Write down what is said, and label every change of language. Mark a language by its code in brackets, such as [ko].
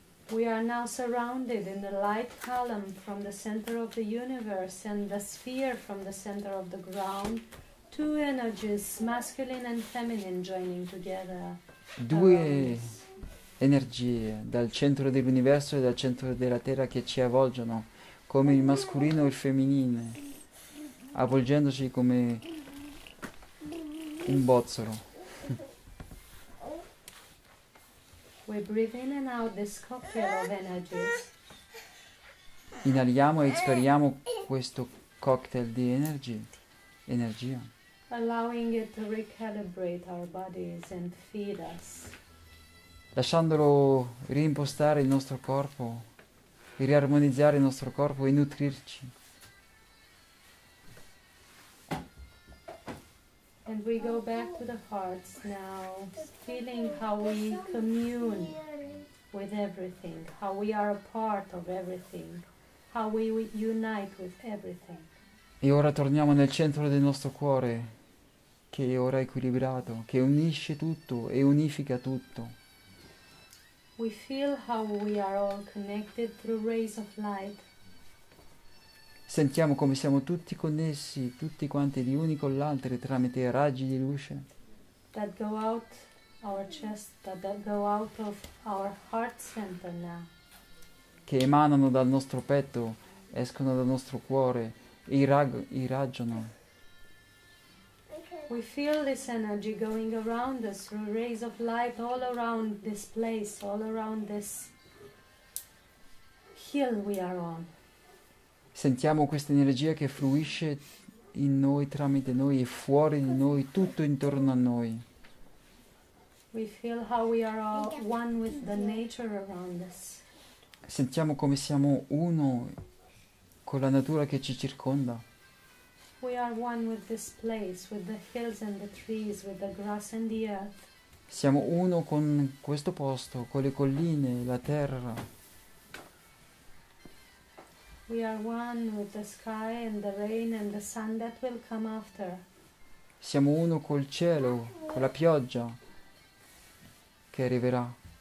[en] We are now surrounded in the light column from the center of the universe and the sphere from the center of the ground, two energies, masculine and feminine, joining together around [it] Due [en] us. [it] energie dal centro dell'universo e dal centro della terra che ci avvolgono come il mascolino e il femminile, avvolgendoci come un bozzolo. [en] We breathe in and out this cocktail of energies. [it] Inaliamo e espiriamo questo cocktail di energia. [en] Allowing it to recalibrate our bodies and feed us. [it] Lasciandolo rimpostare il nostro corpo, riarmonizzare il nostro corpo e nutrirci. [en] And we go back to the hearts now, feeling how we commune with everything, how we are a part of everything, how we unite with everything. [it] Ora torniamo nel centro del nostro cuore, che è ora equilibrato, che unisce tutto e unifica tutto. [en] We feel how we are all connected through rays of light. [it] Sentiamo come siamo tutti connessi, tutti quanti gli uni con l'altro tramite raggi di luce. [en] That go out our chest, that go out of our heart center now. [it] Che emanano dal nostro petto, escono dal nostro cuore, irraggiano. [en] We feel this energy going around us through rays of light all around this place, all around this hill we are on. [it] Sentiamo questa energia che fluisce in noi, tramite noi e fuori di noi, tutto intorno a noi. [en] We feel how we are all one with the nature around us. [it] Sentiamo come siamo uno con la natura che ci circonda. [en] We are one with this place, with the hills and the trees, with the grass and the earth. [it] Siamo uno con questo posto, con le colline, la terra. [en] We are one with the sky and the rain and the sun that will come after. [it] Siamo uno col cielo, con la pioggia che arriverà.